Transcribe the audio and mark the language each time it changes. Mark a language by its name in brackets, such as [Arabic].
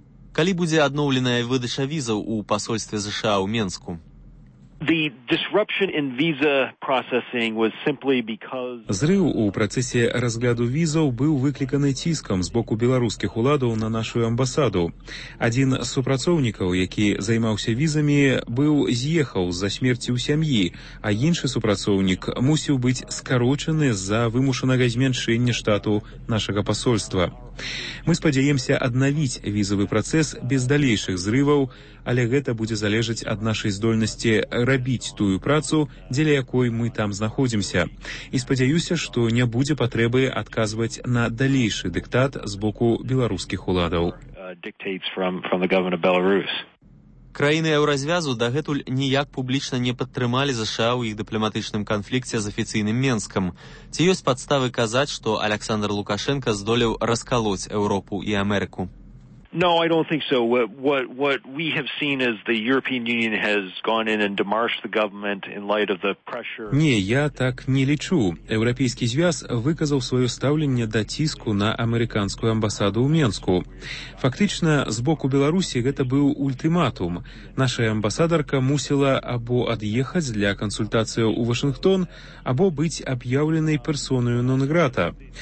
[Belarusian] Калі будзе адноўленая выдача візаў у пасольстве ЗША ў Менску? [English] The disruption in visa processing was simply because. [Belarusian] Зрыў у працэсе разгляду візаў быў выкліканы ціскам з боку беларускіх уладаў на нашу амбасаду. Адзін з супрацоўнікаў, які займаўся візамі, быў з'ехаў з-за смерці ў сям'і, а іншы супрацоўнік мусіў быць скарочаны з-за вымушанага змяншэння штату нашага пасольства. Мы спадзяемся аднавіць візавы працэс без далейшых зрываў, але гэта будзе залежаць ад нашай здольнасці рабіць тую працу, дзеля якой мы там знаходзімся. І спадзяюся, што не будзе патрэбы адказваць на далейшы дыктат з боку беларускіх уладаў. Краіны Еўразвязу дагэтуль ніяк публічна не падтрымалі ЗША ў іх дыпламатычным канфлікце з афіцыйным Менскам. Ці ёсць падставы казаць, што Аляксандр Лукашэнка здолеў раскалоць Еўропу і Амерыку? [English] No, I don't think so. What we have seen is the European Union has gone in and demarched the government in light of the pressure. [Belarusian] Не, я так не лічу. Еўрапейскі звяз выказаў сваё стаўленне да ціску на амерыканскую амбасаду ў Менску. Фактычна, з боку Беларусі гэта быў ультыматум. Наша амбасадарка мусіла або ад'ехаць для кансультацыі ў Вашынгтон, або быць аб'яўленай персонаю нон-грата.